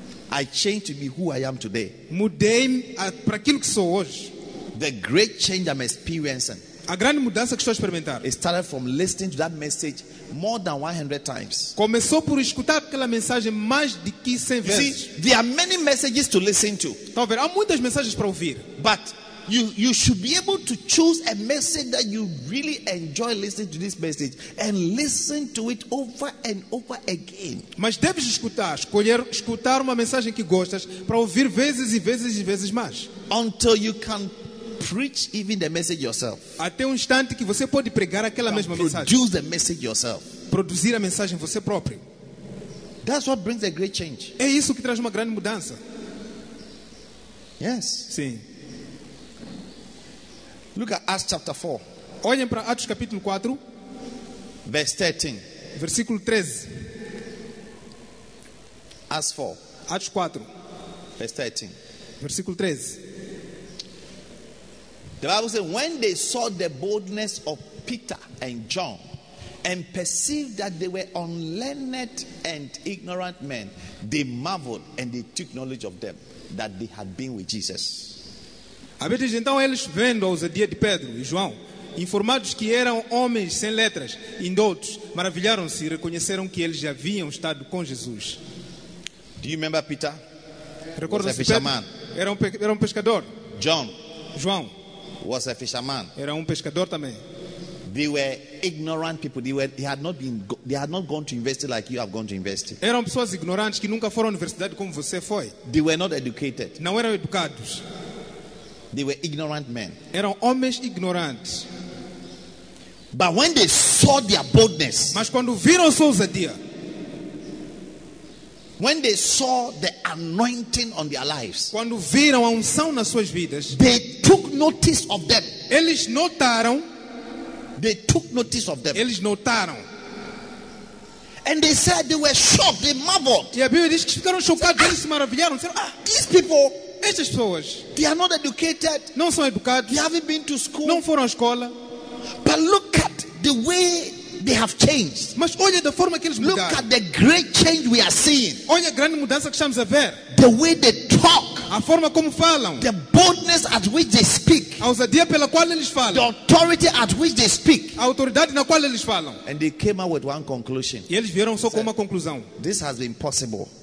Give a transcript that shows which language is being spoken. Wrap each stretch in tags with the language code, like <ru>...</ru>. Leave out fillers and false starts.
<en>I changed to be who I am today.</en> <pt>Mudei-me para aquilo que sou hoje.</pt> <en>The great change I'm experiencing.</en> <pt>A grande mudança que estou a experimentar.</pt> <en>It started from listening to that message more than 100 times.</en> <pt>Começou por escutar aquela mensagem mais de 100 vezes.</pt> <en>See, there are many messages to listen to.</en> <pt>Talvez há muitas mensagens para ouvir.</pt> <en>But You should be able to choose a message that you really enjoy listening to this message and listen to it over and over again.</en> <pt>Mas deves escutar uma mensagem que gostas para ouvir vezes e vezes e vezes mais.</pt> <en>Until you can preach even the message yourself.</en> <pt>Até instante que você pode pregar aquela mesma mensagem.</pt> <en>Produce the message yourself.</en> <pt>Produzir a mensagem você próprio.</pt> <en>That's what brings a great change.</en> <pt>É isso que traz uma grande mudança.</pt> <en>Yes.</en> <pt>Sim.</pt> <en>Look at Acts chapter 4.</en> <pt>Olhem para Atos capítulo 4.</pt> <en>Verse 13.</en> <pt>Versículo 13.</pt> <en>Acts 4.</en> <pt>Atos 4.</pt> <en>Verse 13.</en> <pt>Versículo 13.</pt> <en>The Bible says, when they saw the boldness of Peter and John and perceived that they were unlearned and ignorant men, they marveled and they took knowledge of them that they had been with Jesus.</en> <pt>A Bíblia diz, então eles vendo a ousadia de Pedro e João, informados que eram homens sem letras, indoutos, maravilharam-se e reconheceram que eles já haviam estado com Jesus.</pt> <en>Do you remember Peter?</en> <pt>Recordas-se</pt> <en>was a fisherman.</en> <pt>Pedro? Era um pescador.</pt> <en>John.</en> <pt>João.</pt> <en>Was a fisherman.</en> <pt>Era um pescador também.</pt> <en>They were ignorant people. They had not gone to university like you have gone to university.</en> <pt>Eram pessoas ignorantes que nunca foram à universidade como você foi.</pt> <en>They were not educated.</en> <pt>Não eram educados.</pt> <en>They were ignorant men.</en> <pt>Eram homens ignorantes.</pt> <en>But when they saw their boldness,</en> <pt>mas quando viram sua ousadia,</pt> <en>when they saw the anointing on their lives,</en> <pt>quando viram a unção nas suas vidas,</pt> <en>they took notice of them.</en> <pt>Eles notaram.</pt> <en>They took notice of them.</en> <pt>Eles notaram.</pt> <en>And they said they were shocked. They marveled.</en> <pt>E a Bíblia diz que ficaram chocados. Eles se maravilharam. Disseram, ah,</pt> <en>these people.</en> <pt>Estas pessoas,</pt> <en>they are not educated.</en> <pt>Não são educados.</pt> <en>They haven't been to school.</en> <pt>Não foram à escola.</pt> <en>But look at the way they have changed.</en> <pt>Mas olha da forma que eles mudaram.</pt> <en>Look at the great change we are seeing.</en> <pt>Olha a grande mudança que estamos a ver.</pt> <en>The way they talk.</en> <pt>A forma como falam.</pt> <en>The boldness at which they speak.</en> <pt>A ousadia pela qual eles falam.</pt> <en>The authority at which they speak.</en> <pt>A autoridade na qual eles falam.</pt> <en>And they came out with one conclusion.</en> <pt>E eles vieram só com uma conclusão.</pt> <en>This has been possible.</en>